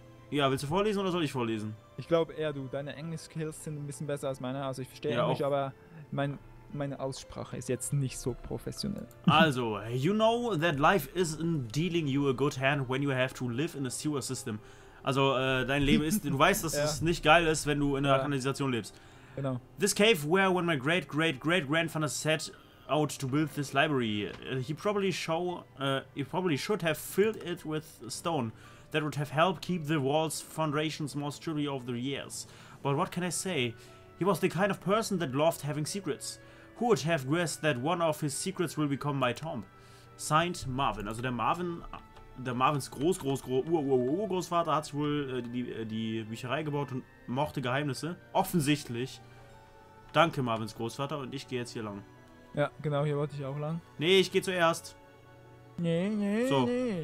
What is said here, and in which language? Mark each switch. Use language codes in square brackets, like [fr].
[de] Ja, willst du vorlesen oder soll ich vorlesen? Ich glaube eher du. Deine Englisch-Skills sind ein bisschen besser als meine. Also ich verstehe mich, aber meine Aussprache ist jetzt nicht so professionell. [en] Also, you know that life isn't dealing you a good hand when you have to live in a sewer system. [de] Also, dein Leben ist, du weißt, dass es nicht geil ist, wenn du in einer Kanalisation lebst. Genau. [en] This cave where when my great-great-great-grandfather set out to build this library, he probably should have filled it with stone. That would have helped keep the walls foundations more sturdy over the years. But what can I say? He was the kind of person that loved having secrets. Who would have guessed that one of his secrets will become my tomb? Signed Marvin. [de] Also der Marvin, der Marvins Großvater hat sich wohl die Bücherei gebaut und mochte Geheimnisse. Offensichtlich. Danke, Marvins Großvater. Und ich gehe jetzt hier lang. Ja, genau. Hier wollte ich auch lang. Nee, ich gehe zuerst. Nee.